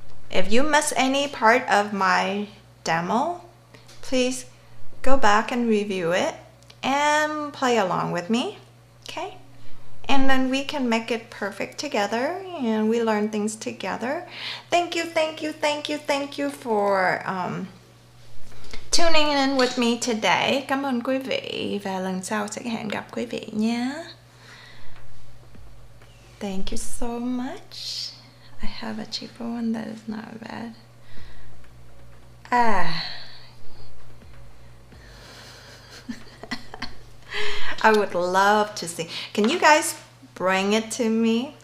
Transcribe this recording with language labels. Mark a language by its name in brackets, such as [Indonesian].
[English] If you miss any part of my demo, please go back and review it and play along with me. Okay? And then we can make it perfect together and we learn things together. Thank you for tuning in with me today. [Vietnamese] Cảm ơn quý vị và lần sau sẽ hẹn gặp quý vị nhé. [English] Thank you so much. I have a cheaper one that is not bad. Ah. I would love to see. Can you guys bring it to me?